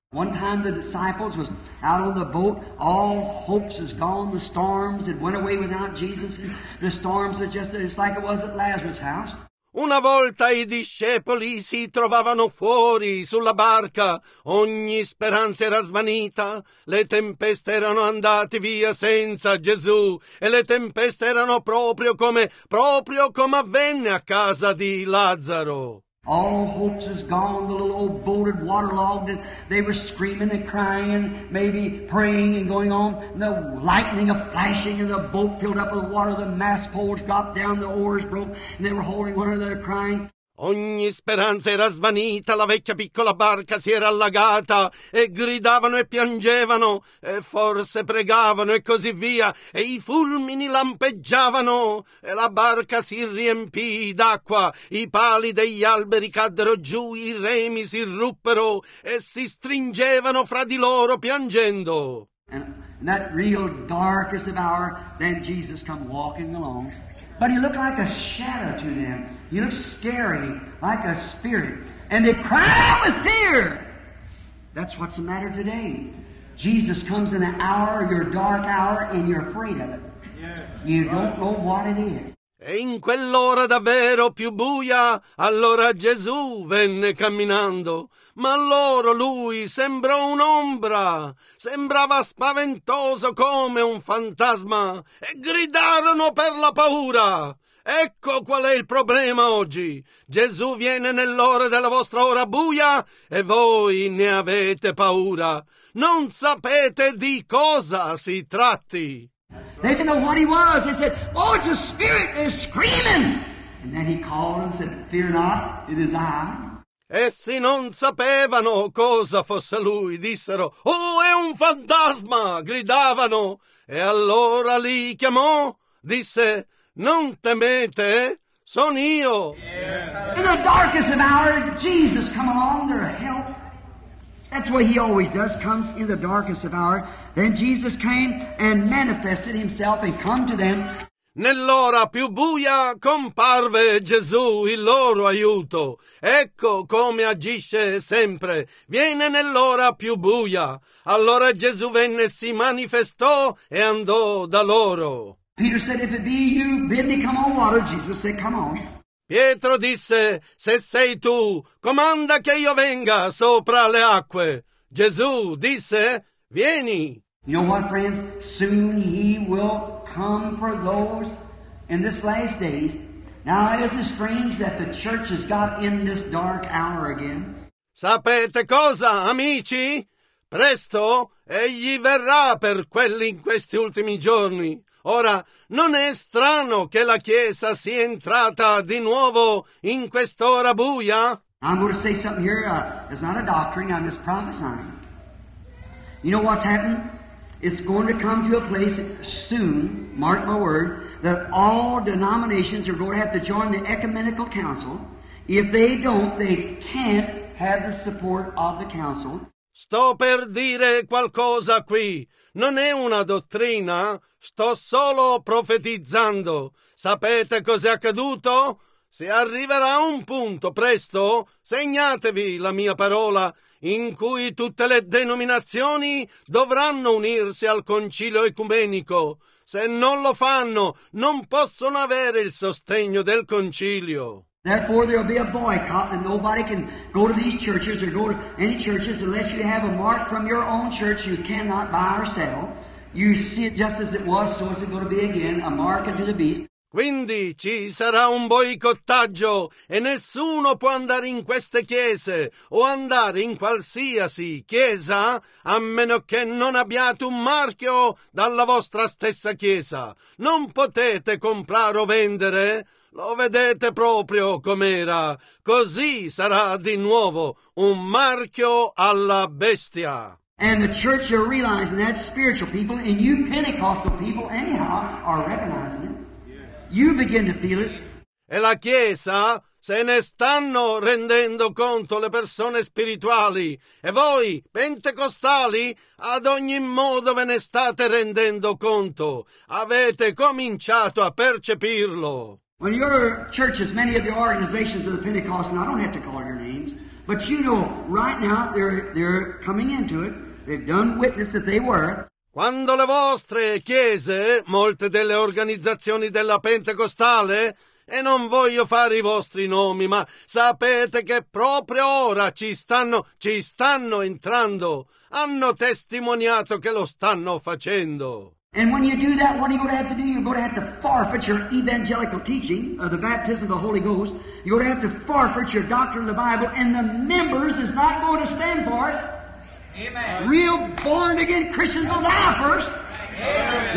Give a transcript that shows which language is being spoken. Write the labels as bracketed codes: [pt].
[en] One time the disciples was out on the boat, all hopes is gone, the storms had went away without Jesus, and the storms are just like it was at Lazarus' house. [it] Una volta i discepoli si trovavano fuori sulla barca, ogni speranza era svanita, le tempeste erano andate via senza Gesù e le tempeste erano proprio come avvenne a casa di Lazzaro. [en] All hopes is gone, the little old boat had waterlogged and they were screaming and crying and maybe praying and going on. And the lightning of flashing and the boat filled up with water, the mast poles dropped down, the oars broke and they were holding one another crying. [it] Ogni speranza era svanita, la vecchia piccola barca si era allagata e gridavano e piangevano e forse pregavano e così via e i fulmini lampeggiavano e la barca si riempì d'acqua, i pali degli alberi caddero giù, i remi si ruppero e si stringevano fra di loro piangendo. [en] In that real darkest of hour, then Jesus come walking along. But he looked like a shadow to them. He looked scary, like a spirit. And they cried out with fear. That's what's the matter today. Jesus comes in an hour, your dark hour, and you're afraid of it. You don't know what it is. [it] E in quell'ora davvero più buia, allora Gesù venne camminando. Ma loro lui sembrò un'ombra, sembrava spaventoso come un fantasma, e gridarono per la paura. Ecco qual è il problema oggi. Gesù viene nell'ora della vostra ora buia e voi ne avete paura. Non sapete di cosa si tratti. [en] They didn't know what he was. They said, oh, it's a spirit, they're screaming. And then he called and said, fear not, it is I. [it] Essi non sapevano cosa fosse lui. Dissero, oh, è un fantasma, gridavano. E allora li chiamò, disse, non temete, son io. [en] In the darkest of hour, Jesus come along, their help. That's what he always does, comes in the darkest of hour. Then Jesus came and manifested himself and come to them. [it] Nell'ora più buia comparve Gesù, il loro aiuto. Ecco come agisce sempre. Viene nell'ora più buia. Allora Gesù venne, si manifestò e andò da loro. [en] Peter said, if it be you, bid me come on water. Jesus said, come on. [it] Pietro disse, se sei tu, comanda che io venga sopra le acque. Gesù disse, vieni. [en] You know what, friends? Soon he will come for those in this last days. Now, isn't it strange that the church has got in this dark hour again? [it] Sapete cosa, amici? Presto, egli verrà per quelli in questi ultimi giorni. Ora, non è strano che la Chiesa sia entrata di nuovo in quest'ora buia? [en] I'm going to say something here. It's not a doctrine. I'm just prophesying. You know what's happened? It's going to come to a place soon, mark my word, that all denominations are going to have to join the ecumenical council. If they don't, they can't have the support of the council. [it] Sto per dire qualcosa qui. Non è una dottrina, sto solo profetizzando. Sapete cos'è accaduto? Se arriverà un punto, presto, segnatevi la mia parola, in cui tutte le denominazioni dovranno unirsi al concilio ecumenico. Se non lo fanno, non possono avere il sostegno del concilio. [en] Therefore there will be a boycott and nobody can go to these churches or go to any churches unless you have a mark from your own church you cannot buy or sell. You see it just as it was, so is it going to be again, a mark unto the beast. [it] Quindi ci sarà un boicottaggio e nessuno può andare in queste chiese o andare in qualsiasi chiesa a meno che non abbiate un marchio dalla vostra stessa chiesa. Non potete comprare o vendere. Lo vedete proprio com'era. Così sarà di nuovo un marchio alla bestia. [en] And the church are realizing that spiritual people and you Pentecostal people anyhow are recognizing it. You begin to feel it. [it] e la Chiesa se ne stanno rendendo conto, le persone spirituali, e voi pentecostali ad ogni modo ve ne state rendendo conto, avete cominciato a percepirlo. [en] When your churches, many of your organizations of the Pentecost, and I don't have to call your names, but you know, right now they're coming into it. They've done witness that they were. [it] Quando le vostre chiese, molte delle organizzazioni della Pentecostale, e non voglio fare i vostri nomi, ma sapete che proprio ora ci stanno entrando, hanno testimoniato che lo stanno facendo. [en] And when you do that, what are you going to have to do? You're going to have to forfeit your evangelical teaching of the baptism of the Holy Ghost. You're going to have to forfeit your doctrine of the Bible, and the members is not going to stand for it. Amen. Real born-again Christians will die first. Amen.